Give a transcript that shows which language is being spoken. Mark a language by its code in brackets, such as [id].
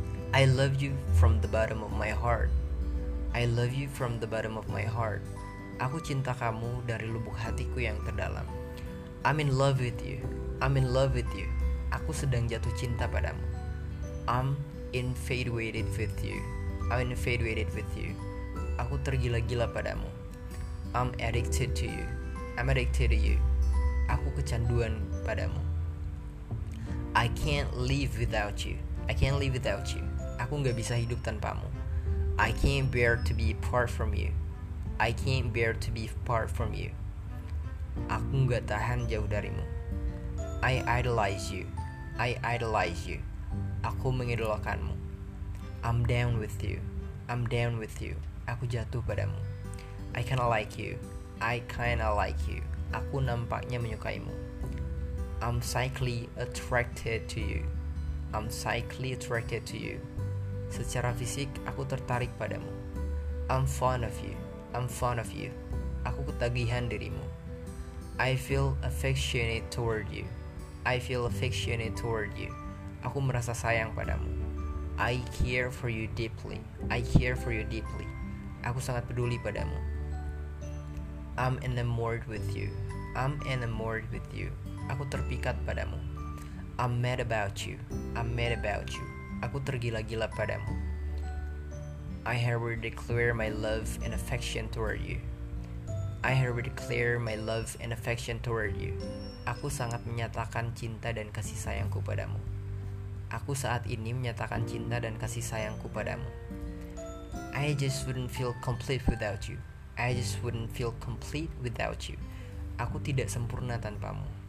[en] I love you from the bottom of my heart. I love you from the bottom of my heart. [id] Aku cinta kamu dari lubuk hatiku yang terdalam. [en] I'm in love with you. I'm in love with you. [id] Aku sedang jatuh cinta padamu. [en] I'm infatuated with you. I'm infatuated with you. [id] Aku tergila-gila padamu. [en] I'm addicted to you. I'm addicted to you. [id] Aku kecanduan padamu. [en] I can't live without you. I can't live without you. [id] Aku gak bisa hidup tanpamu. [en] I can't bear to be apart from you. I can't bear to be apart from you. [id] Aku gak tahan jauh darimu. [en] I idolize you. I idolize you. [id] Aku mengidolakanmu. [en] I'm down with you. I'm down with you. [id] Aku jatuh padamu. [en] I kinda like you. I kinda like you. [id] Aku nampaknya menyukaimu. [en] I'm psychically attracted to you. I'm psychically attracted to you. [id] Secara fisik, aku tertarik padamu. [en] I'm fond of you. I'm fond of you. [id] Aku ketagihan dirimu. [en] I feel affectionate toward you. I feel affectionate toward you. [id] Aku merasa sayang padamu. [en] I care for you deeply. I care for you deeply. [id] Aku sangat peduli padamu. [en] I'm enamored with you. I'm enamored with you. [id] Aku terpikat padamu. [en] I'm mad about you. I'm mad about you. [id] Aku tergila-gila padamu. [en] I have declared my love and affection toward you. I have declared my love and affection toward you. [id] Aku sangat menyatakan cinta dan kasih sayangku padamu. Aku saat ini menyatakan cinta dan kasih sayangku padamu. [en] I just wouldn't feel complete without you. I just wouldn't feel complete without you. [id] Aku tidak sempurna tanpamu.